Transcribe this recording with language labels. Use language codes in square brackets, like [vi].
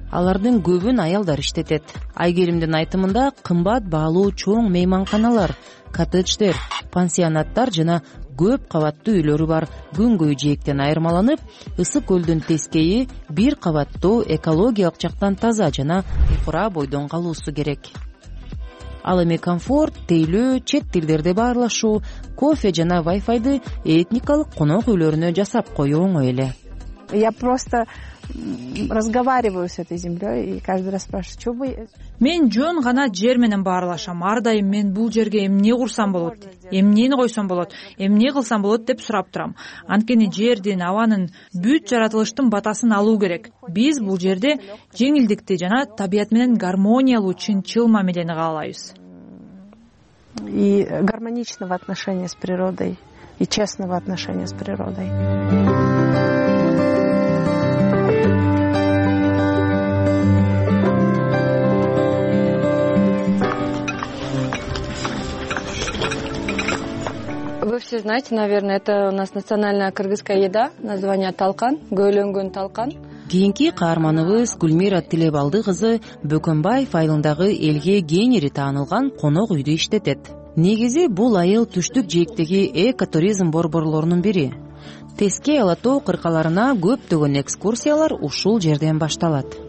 [ky] Алардын көбүн аялдар иштетет. Айгеримдин айтымында кымбат баалуу чоң мейманканалар, коттедждер, пансионаттар жана көп кабаттуу үйлөрү бар күнгөй жээктен айырмаланып, ысык көлдүн тескейи бир кабаттуу экологиялык жактан таза жана туура бойдон калуусу керек. Ал эми комфорт, тейлөө, чет тилдерде баарлашуу, кофе жана вай-файды этникалык конок үйлөрүнө жасап коюу оңой эле. [ru] Я просто разговариваю с этой землей и каждый раз спрашиваю, что вы... [ky] Мен жөн гана жер менен баарлашам. Ар дайым мен бул жерге эмне курсам болот, эмнени койсом болот, эмне кылсам болот деп сурап турам. Анткени жердин, абанын, бүт жаратылыштын батасын алуу керек. Биз бул жерде жеңилдикти жана табият менен гармониялуу чынчыл мамилени каалайбыз. [ru] И гармоничного отношения с природой, и честного отношения с природой. Вы все знаете, наверное, это у нас национальная кыргызская еда, название талкан, [ky] көйлөнгөн талкан. Кийинки каарманыбыз Гүлмира Тилебалды кызы Бөкөнбаев айылындагы элге кеңири таанылган конок үйдү иштетет. Негизи бул айыл түштүк жээктеги экотуризм борборлорунун бири. Теске Алатоо кыркаларына көптөгөн экскурсиялар ушул жерден башталат.